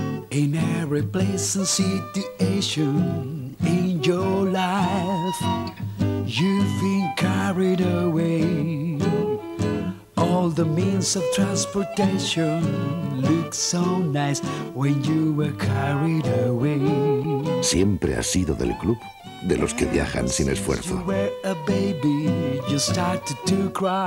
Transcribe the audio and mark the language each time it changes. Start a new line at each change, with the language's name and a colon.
English: In every place and situation in your life, you've been carried away. All the means of transportation look so nice when you were carried away.
Spanish: Siempre has sido del club de los que viajan sin esfuerzo.
English: You were a baby, you started to cry.